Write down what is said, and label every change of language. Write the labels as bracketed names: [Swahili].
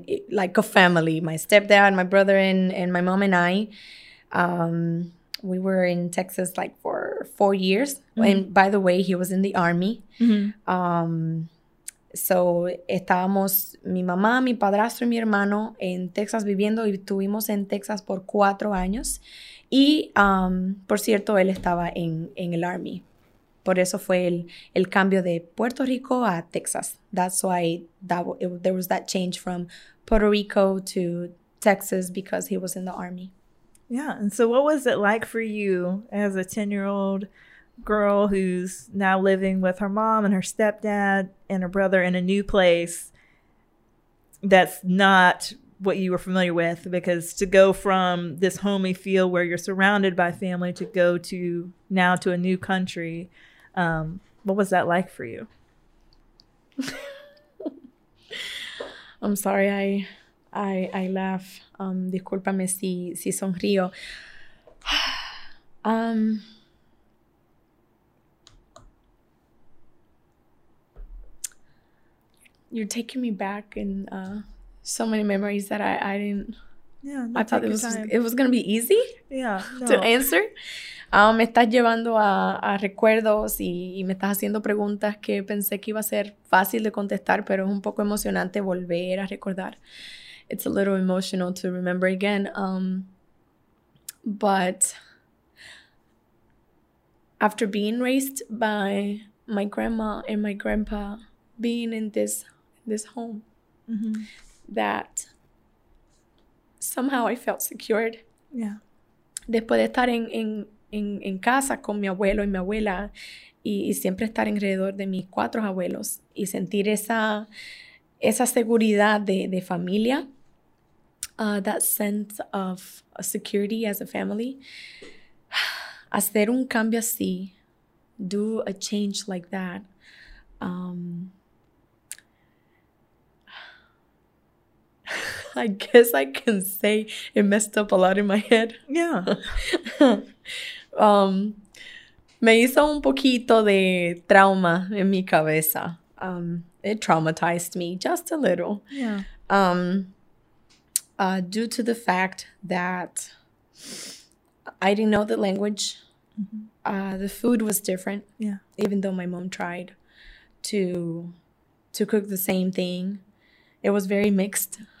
[English] Like a family, my stepdad, my brother and my mom and I. We were in Texas like for 4 years. Mm-hmm. And by the way, he was in the army. Mm-hmm. [Spanish] So, estábamos mi mamá, mi padrastro y mi hermano en Texas viviendo y estuvimos en Texas por 4 años. Y, por cierto, él estaba en el Army. Por eso fue el cambio de Puerto Rico a Texas. [English] That's why there was that change from Puerto Rico to Texas because he was in the Army. Yeah. And so, what was it like for you as a 10-year-old girl who's now living with her mom and her stepdad and her brother in a new place that's not what you were familiar with? Because to go from this homey feel where you're surrounded by family to go to now to a new country, what was that like for you? I'm sorry, I laugh. [Spanish] Discúlpame si sonrío. [English] You're taking me back in so many memories that I didn't. Yeah, I thought it was gonna be easy. Yeah, no. To answer. [Spanish] Me estás llevando a recuerdos y me estás haciendo preguntas que pensé que iba a ser fácil de contestar, pero es un poco emocionante volver a recordar. [English] It's a little emotional to remember again. But after being raised by my grandma and my grandpa, being in this home, mm-hmm. that somehow I felt secured. Yeah. [Spanish] Después de estar en casa con mi abuelo y mi abuela y siempre estar alrededor de mis 4 abuelos y sentir esa seguridad de familia, [English] that sense of security as a family, [Spanish] hacer un cambio así, [English] do a change like that, [Spanish] um, [English] I guess I can say it messed up a lot in my head. Yeah. [Spanish] Me hizo un poquito de trauma en mi cabeza. [English] It traumatized me just a little. Yeah. Due to the fact that I didn't know the language. Mm-hmm. The food was different. Yeah. Even though my mom tried to cook the same thing. It was very mixed.